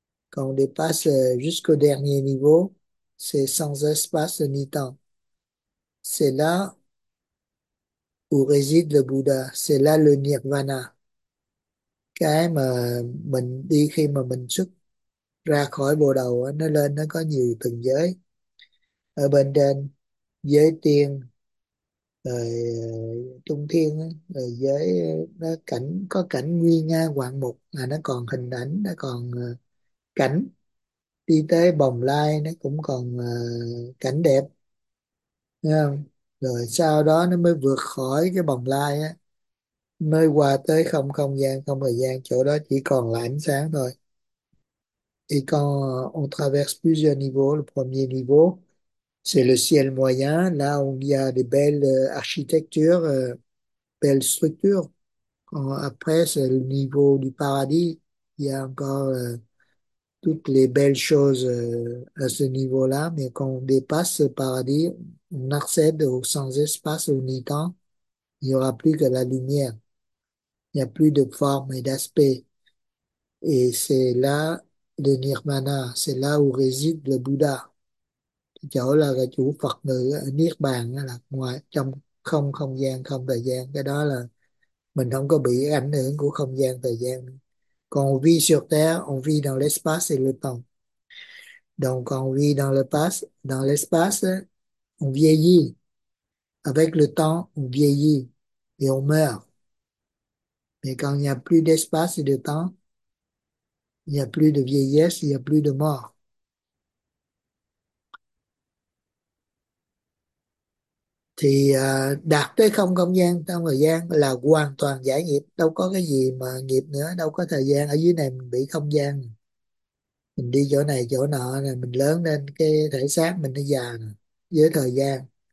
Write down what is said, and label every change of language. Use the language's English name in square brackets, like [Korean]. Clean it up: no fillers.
[French] Quand on dépasse jusqu'au dernier niveau, c'est sans espace ni temps. C'est là où réside le Bouddha, c'est là le nirvana. [Vietnamese] Cái mà mình đi khi mà mình xuất ra khỏi bồ đầu, nó lên nó có nhiều tầng giới. Ở bên trên giới tiên rồi trung thiên rồi giới nó cảnh, có cảnh nguy nga hoạn mục, là nó còn hình ảnh, nó còn cảnh đi tới bồng lai, nó cũng còn cảnh đẹp, thấy không? Rồi sau đó nó mới vượt khỏi cái bồng lai á, mới qua tới không không gian, không thời gian, chỗ đó chỉ còn là ánh sáng thôi. [French] Et quand on traverse plusieurs niveaux, le premier niveau, c'est le ciel moyen, là où il y a de belles architectures, belles structures. Après, c'est le niveau du paradis, il y a encore toutes les belles choses à ce niveau-là, mais quand on dépasse le paradis, on accède au sans-espace, au ni-temps, il n'y aura plus que la lumière. Il n'y a plus de forme et d'aspect. Et c'est là le nirvana, c'est là où réside le Bouddha. [Vietnamese] Chỗ là cái chủ Phật ngữ, Niết Bàn, là ngoài trong không không gian, không thời gian. Cái đó là mình không có bị ảnh hưởng của không gian, thời gian. [French] Còn on vit sur terre, on vit dans l'espace et le temps. Donc on vit dans l'espace, on vieillit. Avec le temps, on vieillit et on meurt. Mais quand il n'y a plus d'espace et de temps, il n'y a plus de vieillesse, il n'y a plus de mort. [Vietnamese] Thì đạt tới không không gian, trong thời gian là hoàn toàn giải nghiệp. Đâu có cái gì mà nghiệp nữa, đâu có thời gian. Ở dưới này mình bị không gian. Mình đi chỗ này, chỗ nọ, này mình lớn lên, cái thể xác mình nó già với thời gian.